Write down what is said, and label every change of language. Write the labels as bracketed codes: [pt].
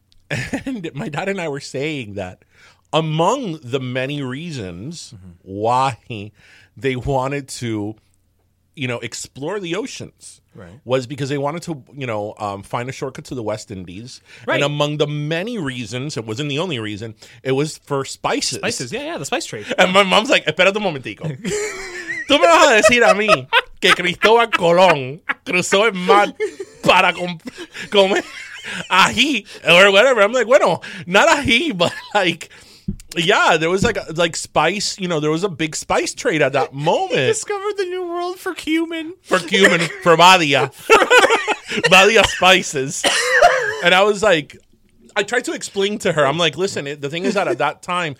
[en] And my dad and I were saying that among the many reasons mm-hmm. why they wanted to, you know, explore the oceans. Right. Was because they wanted to, you know, find a shortcut to the West Indies. Right. And among the many reasons, it wasn't the only reason, it was for spices. Spices, yeah, the spice trade. And my mom's like, espera un momentico. [es] Tú me vas a decir a mí que Cristóbal Colón cruzó el mar para comer ají or whatever. [en] I'm like, bueno, not ají, but like... Yeah, there was like spice, you know, there was a big spice trade at that moment. He discovered the new world for cumin. For cumin, for Badia. Badia spices. And I was like, I tried to explain to her, I'm like, listen, the thing is that at that time,